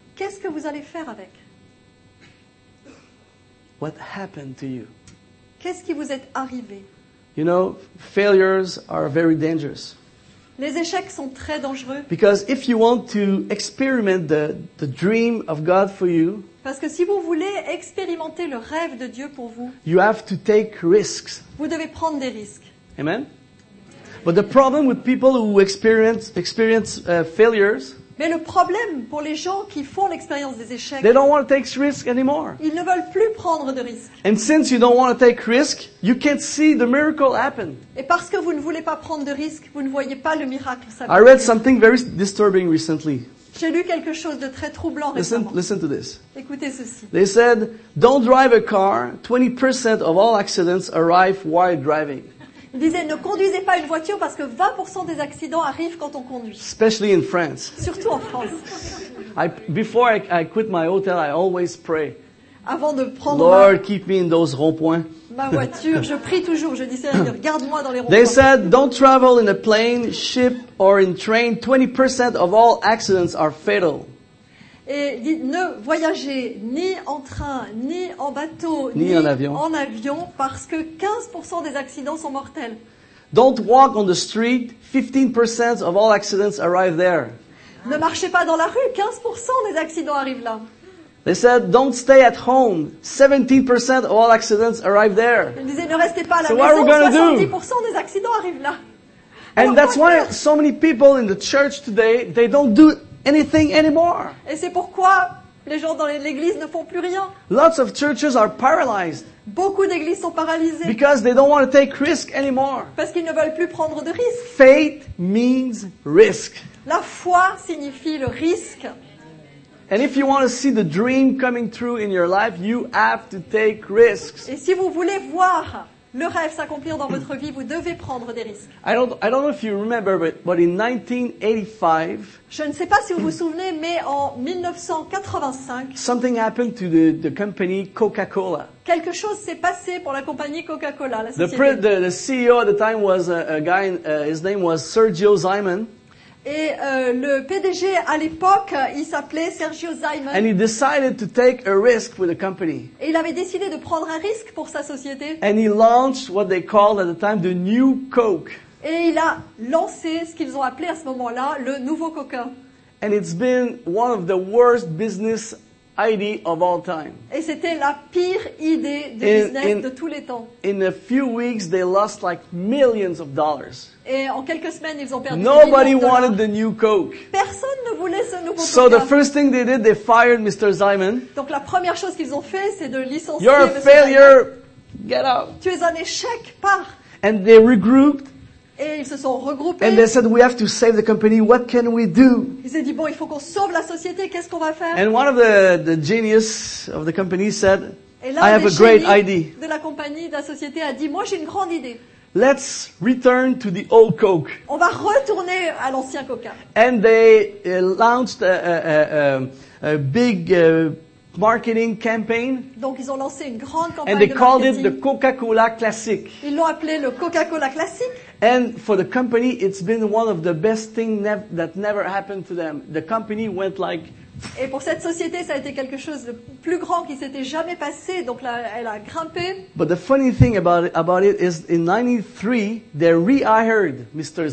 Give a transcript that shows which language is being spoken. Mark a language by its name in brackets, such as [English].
[French] Qu'est-ce que vous allez faire avec? [English] What happened to you? [French] Qu'est-ce qui vous est arrivé? [English] You know, failures are very dangerous. [French] Les échecs sont très dangereux. [English] Because if you want to experiment the dream of God for you, [French] parce que si vous voulez expérimenter le rêve de Dieu pour vous, [English] you have to take risks. [French] Vous devez prendre des risques. [English] Amen. But the problem with people who experience failures. [French] Mais le problème pour les gens qui font l'expérience des échecs. [English] They don't want to take risks anymore. [French] Ils ne veulent plus prendre de risques. [English] And since you don't want to take risk, you can't see the miracle happen. [French] Et parce que vous ne voulez pas prendre de risques, vous ne voyez pas le miracle s'accomplir. [English] I read something very disturbing recently. [French] J'ai lu quelque chose de très troublant récemment. [English] Listen to this. [French] Écoutez ceci. [English] They said, don't drive a car. 20% of all accidents arrive while driving. [French] Il disait, ne conduisez pas une voiture parce que 20% des accidents arrivent quand on conduit. [English] Especially in France. [French] Surtout en France. [English] Before I quit my hotel, I always pray. Avant de prendre Lord, keep me in those ronds-points. [French] Ma voiture, je prie toujours. Je dis, Seigneur, garde-moi dans les ronds. [English] They said, don't travel in a plane, ship or in train. 20% of all accidents are fatal. [French] Et dit, ne voyagez ni en train, ni en bateau, ni en avion, parce que 15% des accidents sont mortels. [English] Don't walk on the street, 15% of all accidents arrive there. [French] Ne marchez pas dans la rue, 15% des accidents arrivent là. [English] They said, don't stay at home, 17% of all accidents arrive there. [French] Ils disaient, ne restez pas à la maison, 70% des accidents arrivent là. [English] And that's why so many people in the church today, they don't do anything anymore. [French] Et c'est pourquoi les gens dans l'église ne font plus rien. [English] Lots of churches are paralyzed. [French] Beaucoup d'églises sont paralysées. [English] Because they don't want to take risk anymore. [French] Parce qu'ils ne veulent plus prendre de risques. [English] Faith means risk. [French] La foi signifie le risque. [English] And if you want to see the dream coming true in your life, you have to take risks. [French] Et si vous voulez voir le rêve s'accomplir dans votre vie, vous devez prendre des risques. [English] I don't know if you remember, but in 1985, [French] je ne sais pas si vous vous souvenez, mais en 1985, [English] something happened to the company Coca-Cola. [French] Quelque chose s'est passé pour la compagnie Coca-Cola, la société. [English] The CEO at the time was a guy, his name was Sergio Zimon. [French] Et le PDG à l'époque, il s'appelait Sergio Zimon. [English] And he decided to take a risk with the company. [French] Et il avait décidé de prendre un risque pour sa société. [English] And he launched what they called at the time the new Coke. [French] Et il a lancé ce qu'ils ont appelé à ce moment-là le nouveau Coca. [English] And it's been one of the worst business idea of all time. [French] Et c'était la pire idée de business de tous les temps. [English] In a few weeks, they lost like millions of dollars. [French] Et en quelques semaines, ils ont perdu [English] Nobody wanted the new Coke. [French] Personne ne voulait ce nouveau [English] so [French] Coca. [English] So the first thing they did, they fired Mr. Zimon. [French] Donc la première chose qu'ils ont fait, c'est de licencier Mr. [English] You're a failure. Zimon. Get out. [French] Tu es un échec. Pars. [English] And they regrouped. [French] Et ils se sont regroupés. [English] And they said, we have to save the company. What can we do? [French] Ils ont dit, bon, il faut qu'on sauve la société. Qu'est-ce qu'on va faire? [English] And one of the genius of the company said, I have a great idea. [French] De la compagnie, de la société a dit, moi j'ai une grande idée. [English] Let's return to the old Coke. [French] On va retourner à l'ancien Coca. [English] And they launched a big marketing campaign. [French] Donc ils ont lancé une grande campagne. [English] And they [French] de [English] called [French] marketing. [English] It the Coca-Cola Classic. [French] Ils l'ont appelé le Coca-Cola Classic. [English] And for the company, it's been one of the best things that never happened to them. The company went like. [French] Et pour cette société, ça a été quelque chose de plus grand qui s'était jamais passé. Donc là, elle a grimpé. [English] But the funny thing about it is, in 93, they rehired Mr.